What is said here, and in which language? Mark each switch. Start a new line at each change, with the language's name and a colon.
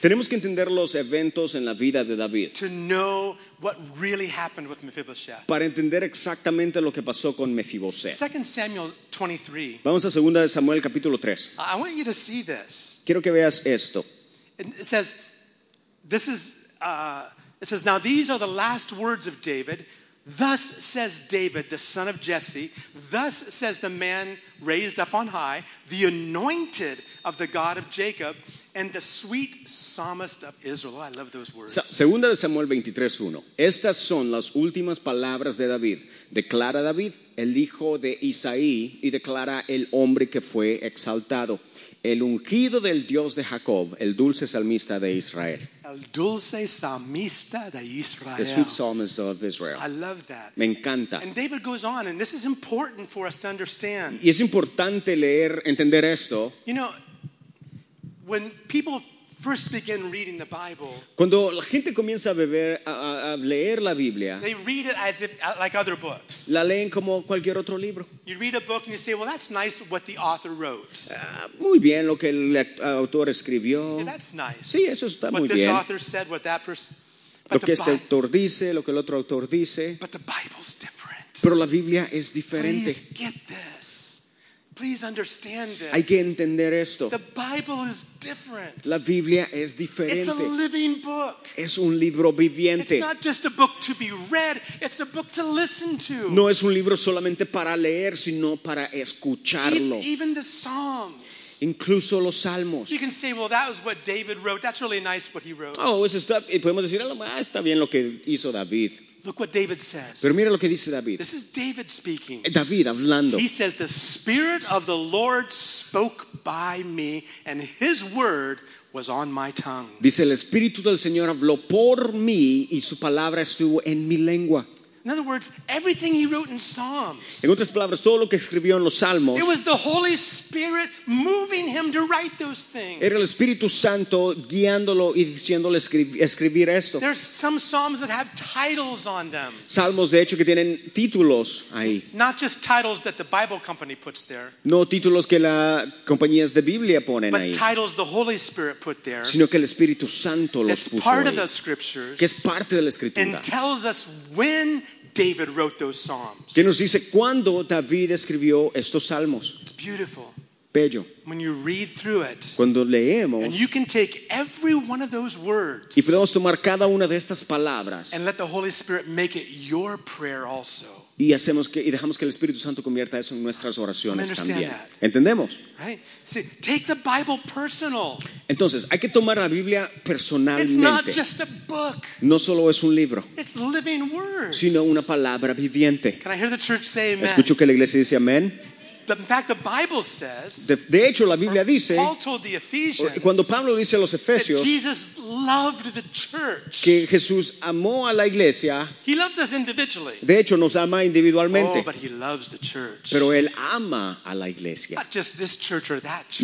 Spanish: Tenemos que entender los eventos en la vida de David.
English: To know what really happened with Mephibosheth.
Spanish: Para entender exactamente lo que pasó con Mephibosheth.
English: 2 Samuel 23.
Spanish: Vamos a 2 Samuel capítulo 3.
English: I want you to see this.
Spanish: Quiero que veas esto.
English: It says, it says, now these are the last words of David. Thus says David, the son of Jesse. Thus says the man raised up on high, the anointed of the God of Jacob, and the sweet psalmist of Israel. I love those words.
Spanish: Segunda de Samuel 23:1. Estas son las últimas palabras de David. Declara David, el hijo de Isaí, y declara el hombre que fue exaltado. El ungido del Dios de Jacob, el dulce salmista de Israel. El dulce salmista de Israel.
English: The sweet psalmist of Israel. I love that.
Spanish: Me encanta.
English: And David goes on, and this is important for us to understand.
Spanish: Y es importante leer, entender esto.
English: You know, when people first begin reading the Bible,
Spanish: cuando la gente comienza a leer la Biblia,
English: they read it as if like other books.
Spanish: La leen como cualquier otro libro.
English: You read a book and you say, "Well, that's nice what the author wrote."
Spanish: Muy bien lo que el autor escribió.
English: Yeah, that's nice.
Spanish: Sí, eso está
English: what
Spanish: muy bien.
English: What this author said, what that person.
Spanish: Lo que este autor dice, lo que el otro autor dice.
English: But the Bible's different.
Spanish: Pero la Biblia es diferente.
English: Please get this. Please understand this.
Spanish: Hay que entender esto.
English: The Bible is different.
Spanish: La Biblia es diferente.
English: It's a living book.
Spanish: Es un libro viviente.
English: It's not just a book to be read, it's a book to listen to.
Spanish: No es un libro solamente para leer, sino para escucharlo.
English: Even the Psalms.
Spanish: Incluso los Salmos.
English: You can say, well, that was what David wrote. That's really nice what he wrote.
Spanish: Oh, eso está, y podemos decir, está bien lo que hizo David.
English: Look what David says.
Spanish: Pero mira lo que dice David.
English: This is David speaking.
Spanish: David hablando.
English: He says, the Spirit of the Lord spoke by me, and his word was on my tongue.
Spanish: Dice, el Espíritu del Señor habló por mí, y su palabra estuvo en mi lengua.
English: In other words, everything he wrote in Psalms.
Spanish: En otras palabras, todo lo que escribió en los Salmos.
English: It was the Holy Spirit moving him to write those things.
Spanish: Era el Espíritu Santo guiándolo y diciéndole escribir esto.
English: There's some Psalms that have titles on them.
Spanish: Salmos de hecho que tienen títulos ahí.
English: Not just titles that the Bible company puts there.
Spanish: No títulos que las compañías de Biblia ponen
English: but
Spanish: ahí.
English: But titles the Holy Spirit put there.
Spanish: Sino que el Espíritu Santo los puso
English: part
Spanish: ahí.
English: Of the scriptures.
Spanish: Que es parte de la escritura.
English: And tells us when David wrote those psalms.
Spanish: Que nos dice cuando David escribió estos salmos.
English: It's beautiful.
Spanish: Bello.
English: When you read through it.
Spanish: Cuando leemos.
English: And you can take every one of those words.
Spanish: Y podemos tomar cada una de estas palabras.
English: And let the Holy Spirit make it your prayer also.
Spanish: Y hacemos que y dejamos que el Espíritu Santo convierta eso en nuestras oraciones también.
English: That.
Spanish: ¿Entendemos?
English: Right? See, take the Bible personal.
Spanish: Entonces, hay que tomar la Biblia personalmente.
English: It's not just a book.
Spanish: No solo es un libro.
English: It's living words.
Spanish: Sino una palabra viviente.
English: Can I hear the church say amen?
Spanish: ¿Escucho que la iglesia dice amén?
English: In fact, the Bible says.
Spanish: De hecho, la Biblia dice.
English: Paul told the Ephesians.
Spanish: Cuando Pablo dice a los Efesios.
English: That Jesus loved the church.
Spanish: Que Jesús amó a la iglesia.
English: He loves us individually.
Spanish: De hecho, nos ama individualmente.
English: Oh, but he loves the church.
Spanish: Pero él ama a la iglesia.
English: Not just this church or that church.